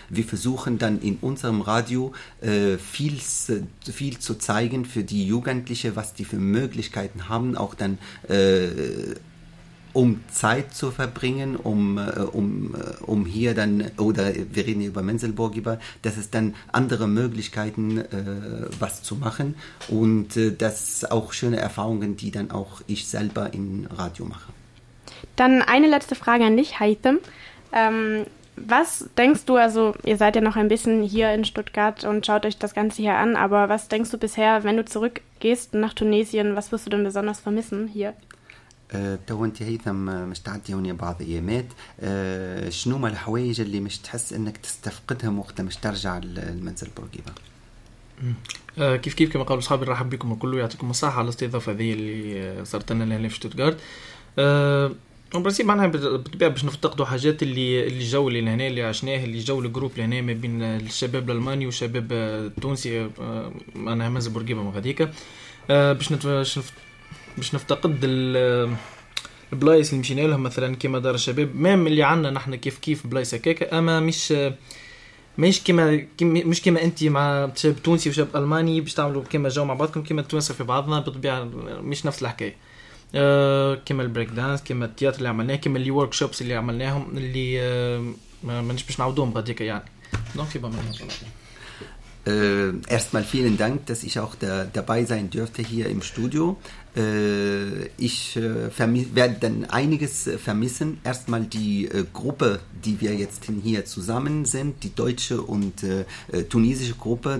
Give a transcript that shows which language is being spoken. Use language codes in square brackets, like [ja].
[de] Wir versuchen dann in unserem Radio viel zu zeigen für die Jugendlichen, was die für Möglichkeiten haben, auch dann um Zeit zu verbringen, um hier dann, oder wir reden hier über Menzelburg, dass es dann andere Möglichkeiten was zu machen, und das auch schöne Erfahrungen, die dann auch ich selber im Radio mache. Dann eine letzte Frage an dich, Haitham. Was denkst du, also ihr seid ja noch ein bisschen hier in Stuttgart und schaut euch das Ganze hier an, aber was denkst du bisher, wenn du zurückgehst nach Tunesien, was wirst du denn besonders vermissen hier? [ar] تو انت هيثم مش تعطيوني بعض ايامات شنو ما الحوايج اللي مش تحس انك تستفقدها وقت ما ترجع للمنزل بورقيبة؟ كيف كما قالوا اصحابي نرحب بكم الكل ويعطيكم الصحة على الاستضافة هذه اللي صارت لنا هنا في شتوتغارت. وبرسيب معناها بالطبيعة باش نفتقدوا حاجات اللي الجو اللي لهنا اللي عشناه اللي جو الجروب لهنا ما بين الشباب الألماني وشباب التونسي معناها منزل بورقيبة مغاديكا باش نفتقد البلايس اللي مشينا لهم مثلا كيما دار الشباب مام اللي عنا نحن كيف بلايس هكاكا أما مش كيما أنت مع شاب تونسي وشاب ألماني باش تعملوا كيما جو مع بعضكم كيما التونس في بعضنا بالطبيعة مش نفس الحكاية كما البريك دانس كما التياتر اللي عملناه كما اللي وركشوبس اللي عملناهم اللي مانيش باش نعاودوهم بعديك يعني دونك في بامانه [de] Erstmal vielen Dank, dass ich auch dabei sein dürfte hier im Studio. Ich werde dann einiges vermissen. Erstmal die Gruppe, die wir jetzt hier zusammen sind, die deutsche und tunesische Gruppe.